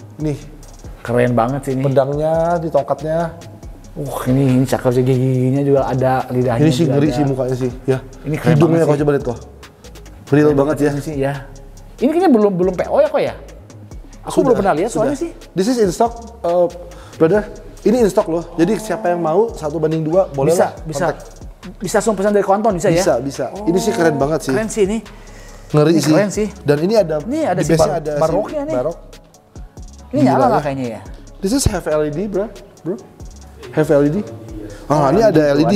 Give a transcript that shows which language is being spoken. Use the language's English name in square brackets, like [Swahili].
[Indonesian] Nih. Keren banget sih ini. Pedangnya, di tongkatnya. Ini cakep sih, giginya juga ada, lidahnya ini sih juga ngeri ada. Sih mukanya sih, ya. Ini keren hidungnya kau coba lihat kok. Real banget ya. Sih, ya. Ini kayaknya belum PO ya kok ya? Aku sudah, belum pernah lihat soalnya sudah. Sih. [English] This is in stock, brother. [Indonesian] Ini [English] in stock [Indonesian] loh. Jadi siapa yang mau 1:2 boleh bisa, lah. Bisa, bisa. Bisa langsung pesan dari Kuanton bisa ya? Bisa. Oh, ini sih keren banget sih. Keren sih ini. Ngeri ini sih. Keren sih. Dan ini ada. Ini ada si baroknya nih. Barok. Ini nyala lah kayaknya ya. [English] This is half LED, bro. Have LED? [Indonesian] Oh, ini ada LED.